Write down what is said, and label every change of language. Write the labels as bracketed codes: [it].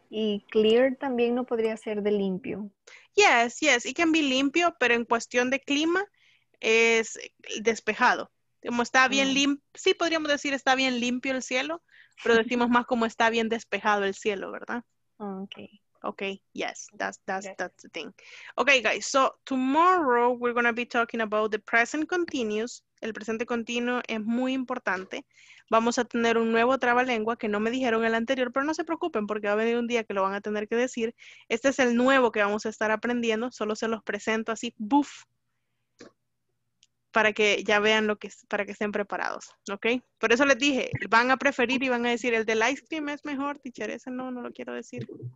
[es] Y clear también no podría ser de limpio. [en] Yes, yes, it can be [es] limpio, pero en cuestión de clima es despejado. Como está bien limpio, sí podríamos decir está bien limpio el cielo, pero decimos más como está bien despejado el cielo, ¿verdad? [en] Ok. Okay, yes, that's the thing. Okay, guys, so tomorrow we're going to be talking about the present continuous. [es] El presente continuo es muy importante. Vamos a tener un nuevo trabalengua que no me dijeron el anterior, pero no se preocupen porque va a venir un día que lo van a tener que decir. Este es el nuevo que vamos a estar aprendiendo. Solo se los presento así, ¡buf! Para que ya vean lo que es, para que estén preparados, ¿ok? Por eso les dije, van a preferir y van a decir, el del ice cream es mejor, teacher, ese no lo quiero decir.